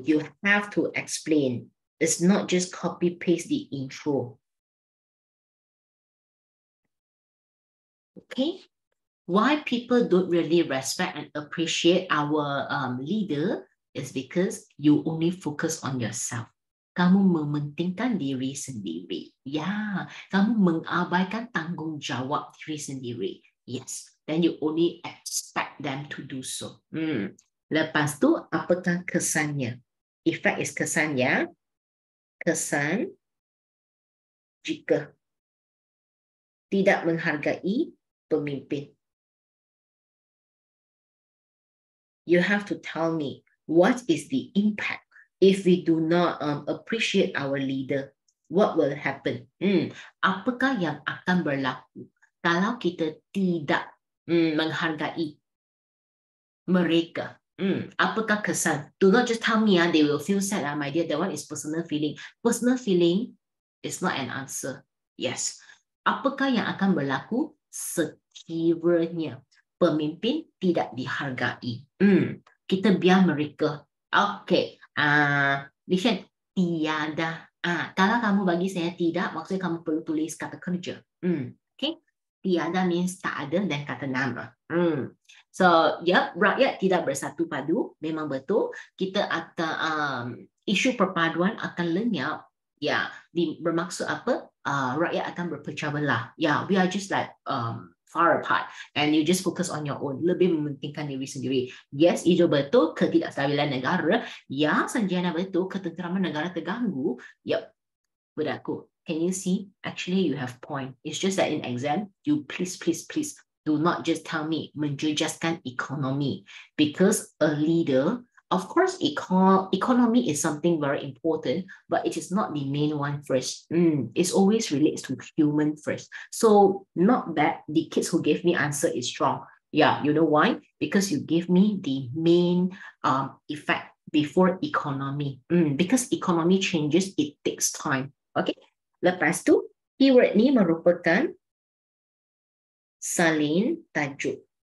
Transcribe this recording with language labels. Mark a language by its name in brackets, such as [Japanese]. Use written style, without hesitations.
[English] You have to explain. It's not just copy paste the intro. Okay. Why people don't really respect and appreciate our leader is because you only focus on yourself. [Malay] Kamu mementingkan diri sendiri. Yeah. Kamu mengabaikan tanggungjawab diri sendiri. [English] Yes. Then you only expect them to do so. [Malay] Lepas tu, apakah kesannya? [English] Effect is [Malay] kesan, ya. Kesan jika tidak menghargai pemimpin. [English] You have to tell me what is the impact If we do not appreciate our leader, what will happen? [Malay] Apakah yang akan berlaku kalau kita tidak menghargai mereka? Apakah kesan? [English] Do not just tell me, they will feel sad, my dear. That one is personal feeling. Personal feeling is not an answer. Yes. [Malay] Apakah yang akan berlaku sekiranya pemimpin tidak dihargai? Kita biar mereka. Okay. Lishan, tiada. Kalau kamu bagi saya tidak, maksudnya kamu perlu tulis kata kerja. Okay. Tiada means tak ada dan kata nama. So, yep, rakyat tidak bersatu padu. Memang betul. Kita akan, isu perpaduan akan lenyap. Ya, bermaksud apa? Rakyat akan berpecah belah. [English] Yeah, we are just like far apart. And you just focus on your own. [Malay] Lebih mementingkan diri sendiri. Yes, itu betul. Ketidakstabilan negara. Ya, Sanjana betul. Ketenteraman negara terganggu. Yep, budakku. [English] Can you see? Actually, you have point. It's just that in exam, you please, please, please do not just tell me menjejaskan economy. Because a leader, of course, economy is something very important, but it is not the main one first. It always relates to human first. So not bad. The kids who gave me answer is strong. Yeah, you know why? Because you gave me the main effect before economy. Because economy changes, it takes time. Okay? [Malay] Lepas tu, keyword ni merupakan salin tajuk.